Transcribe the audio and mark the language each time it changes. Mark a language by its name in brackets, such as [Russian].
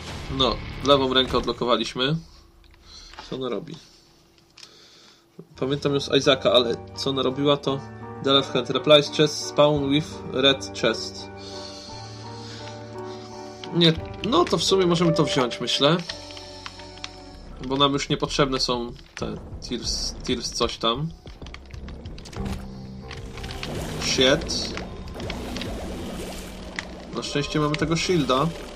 [Polish] No, lewą rękę odlokowaliśmy. Co ona robi? Pamiętam już Isaaca, ale co ona robiła to... [English] The left hand replies chest spawn with red chest. [Polish] Nie, no to w sumie możemy to wziąć, myślę. Bo nam już niepotrzebne są te tears coś tam. [English] Shit. [Polish] Na szczęście mamy tego shielda.